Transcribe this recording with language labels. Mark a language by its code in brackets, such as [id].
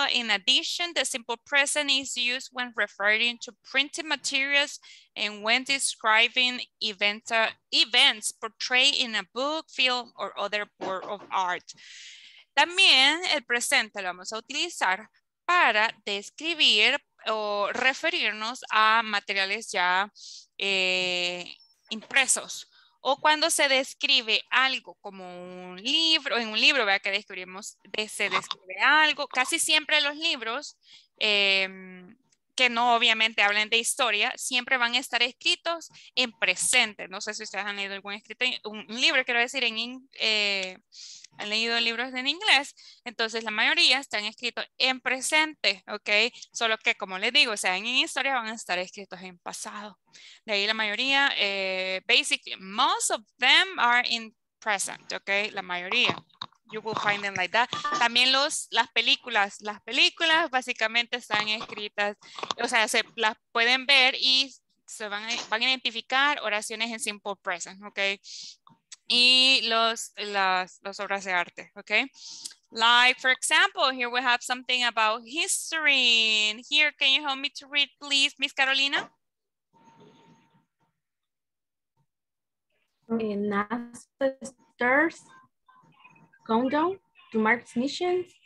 [en] In addition, the simple present is used when referring to printed materials and when describing events portrayed in a book, film, or other work of art. [es] También el presente lo vamos a utilizar para describir o referirnos a materiales ya impresos. O cuando se describe algo como un libro, en un libro, vea que describimos, se describe algo. Casi siempre los libros, que no obviamente hablen de historia, siempre van a estar escritos en presente. No sé si ustedes han leído algún escrito, un libro, quiero decir, han leído libros en inglés. Entonces la mayoría están escritos en presente, ¿ok? Solo que, como les digo, o sea, en historia van a estar escritos en pasado. De ahí la mayoría, [en] basically, most of them are in present, ¿ok? [es] La mayoría. [en] You will find them like that. [es] También las películas. Las películas básicamente están escritas, o sea, se las pueden ver y se van a identificar oraciones en simple present, ¿ok? Y las obras de arte, ¿ok? [en] Like, for example, here we have something about history. Here, can you help me to read, please, Miss Carolina? In NASA's countdown to Mars mission.